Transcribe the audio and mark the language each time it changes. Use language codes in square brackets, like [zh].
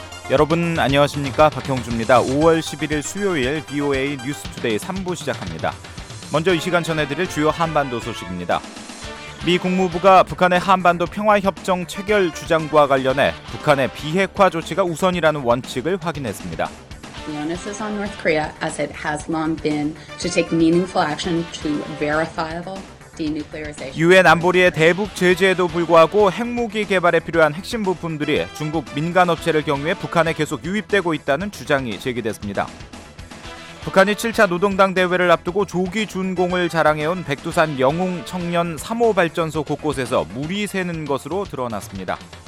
[ko] 여러분 안녕하십니까? 박형주입니다. 5월 11일 수요일 VOA News Today 3부 시작합니다. 먼저 이 시간 전해드릴 주요 한반도 소식입니다. 미 국무부가 북한의 한반도 평화협정 체결 주장과 관련해 북한의 비핵화 조치가 우선이라는 원칙을 확인했습니다. [en] The onus is on North Korea as it has long been to take meaningful action to verifiable denuclearization. [ko] 유엔 안보리의 대북 제재에도 불구하고 핵무기 개발에 필요한 핵심 부품들이 중국 민간 업체를 경유해 북한에 계속 유입되고 있다는 주장이 제기됐습니다. 북한이 7차 노동당 대회를 앞두고 조기 준공을 자랑해온 백두산 영웅 청년 3호 발전소 곳곳에서 물이 새는 것으로 드러났습니다.